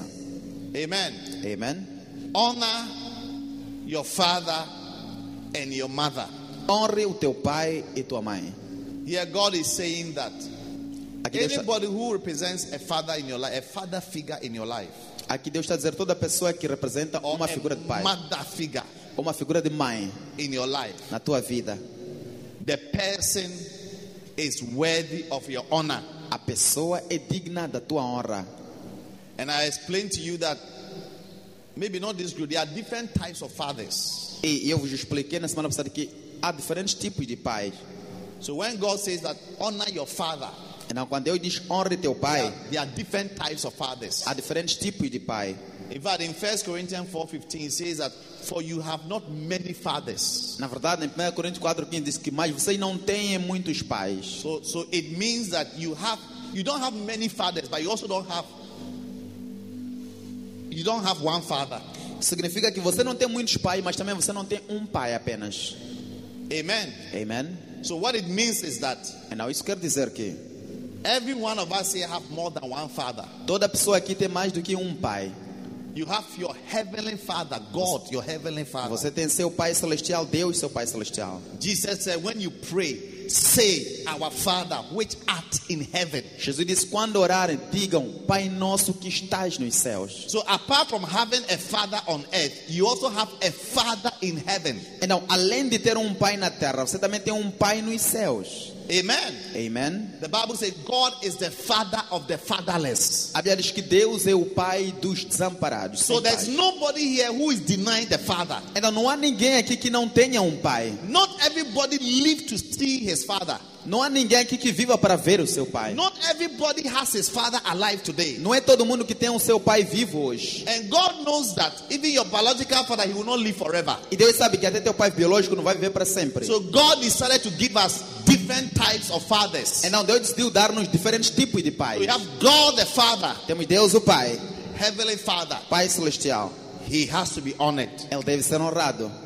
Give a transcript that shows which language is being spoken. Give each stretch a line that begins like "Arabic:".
English: Amen.
Portuguese: Amen.
English: Honor your father and your mother.
Portuguese: Honre o teu pai e tua mãe.
English: Here God is saying that. Anybody who represents a father in your life, a father figure in your life.
Portuguese: Aqui Deus está a dizer toda pessoa que representa uma figura de pai.
English: Mother figure.
Portuguese: Uma figura de mãe.
English: In your life.
Portuguese: Na tua vida.
English: The person is worthy of your honor.
Portuguese: A pessoa é digna da tua honra.
English: And I explained to you that maybe not this group, there are different types of fathers.
Portuguese: E eu vos expliquei na semana passada que há diferentes tipos de pais.
English: So when God says that honor your father.
Portuguese: Então quando Deus diz honre teu pai,
English: there are different types of fathers.
Portuguese: Há diferentes tipos de pai.
English: In fact, in 1 Corinthians 4:15 says that for you have not many fathers.
Portuguese: Na verdade, em 1 Coríntios 4:15 diz que mas vocês não têm muitos pais.
English: So it means that you don't have many fathers, but you also don't have one father.
Portuguese: Significa que você não tem muitos pais, mas também você não tem pai apenas.
English: Amen.
Portuguese: Amen.
English: So what it means is that. And now
Portuguese: isso quer dizer que
English: every one of us here have more than one father.
Portuguese: Toda pessoa aqui tem mais do que pai.
English: You have your heavenly father, God, your heavenly father.
Portuguese: Você tem seu pai celestial, Deus, seu pai celestial.
English: Jesus said, when you pray, say, our father, which art in heaven.
Portuguese: Jesus disse, quando orarem, digam, pai nosso que estás nos céus.
English: So apart from having a father on earth, you also have a father in heaven.
Portuguese: Então, além de ter pai na terra, você também tem pai nos céus.
English: Amen.
Portuguese: Amen.
English: The Bible says God is the father of the fatherless.
Portuguese: A Bíblia diz que Deus é o pai dos desamparados.
English: So there's nobody here who is denying the father.
Portuguese: Então não há ninguém aqui que não tenha pai.
English: Not everybody lives to see his father.
Portuguese: Não há ninguém aqui que viva para ver o seu pai.
English: Not everybody has his father alive today.
Portuguese: Não é todo mundo que tem o seu pai vivo hoje.
English: And God knows that even your biological father, he will not live forever.
Portuguese: E Deus sabe que até teu pai biológico não vai viver para sempre.
English: So God decided to give us different types of fathers.
Portuguese: E não, Deus decidiu dar-nos diferentes tipos de pais.
English: We have God the Father.
Portuguese: Temos Deus o pai.
English: Heavenly Father.
Portuguese: Pai celestial.
English: He has to be honored.
Portuguese: Ele deve ser honrado.